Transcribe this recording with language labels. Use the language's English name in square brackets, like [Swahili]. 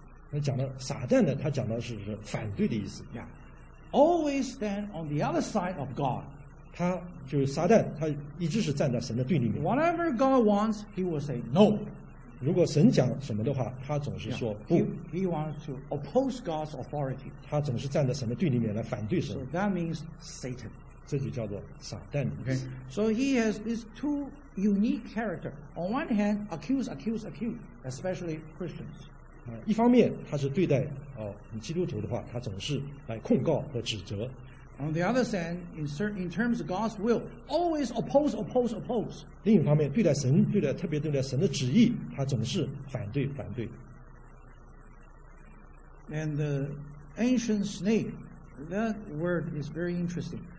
[Chinese] 那讲到撒旦的，他讲到是反对的意思。 [English] Yeah. Always stand on the other side of God。 [Chinese] 他就是撒旦，他一直是站在神的对立面。 [English] Whatever God wants, he will say no。 [Chinese] 如果神讲什么的话，他总是说不。 [English] Yeah. He wants to oppose God's authority。 [Chinese] 他总是站在神的对立面来反对神。 [English] So that means Satan。 [Chinese] 这就叫做撒旦。 [English] Okay. So he has these two unique characters. On one hand, accuse, especially Christians. [Chinese] 一方面他是对待基督徒的话，他总是来控告和指责。 [English] On the other hand, in terms of God's will, always oppose. [Chinese] 另一方面，对待神，对待特别对待神的旨意，他总是反对。 [English] And the ancient snake, that word is very interesting.